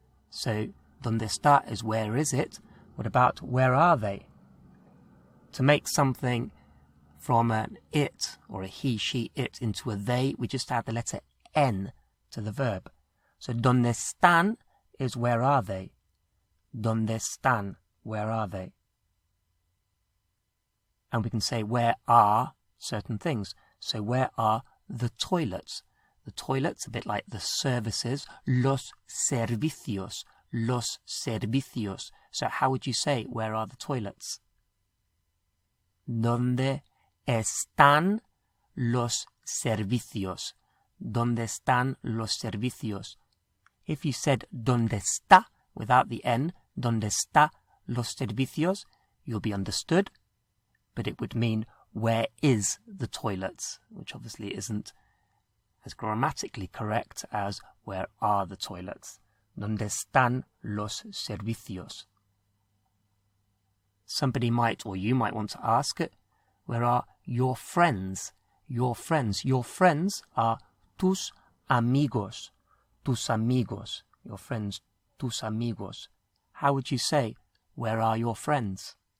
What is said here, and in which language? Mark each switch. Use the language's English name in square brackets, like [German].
[English] So, [Spanish] ¿dónde está [English] is where is it? What about where are they? To make something from an it or a he, she, it into a they, we just add the letter N to the verb. So, [Spanish] ¿dónde están [English] is where are they? [Spanish] ¿Dónde están? [English] Where are they? And we can say where are certain things. So, where are the toilets? The toilets, a bit like the services, [Spanish] los servicios. Los servicios. [English] So how would you say, where are the toilets? [Spanish] ¿Dónde están los servicios? ¿Dónde están los servicios? [English] If you said, [Spanish] ¿dónde está? [English] Without the N, [Spanish] ¿dónde está los servicios? [English] You'll be understood, but it would mean, where is the toilets? Which obviously isn't as grammatically correct as, where are the toilets? [Spanish] ¿Dónde están los servicios? [English] Somebody might, or you might want to ask, where are your friends? Your friends. Your friends are [Spanish] tus amigos. Tus amigos. [English] Your friends, [Spanish] tus amigos. [English] How would you say, where are your friends?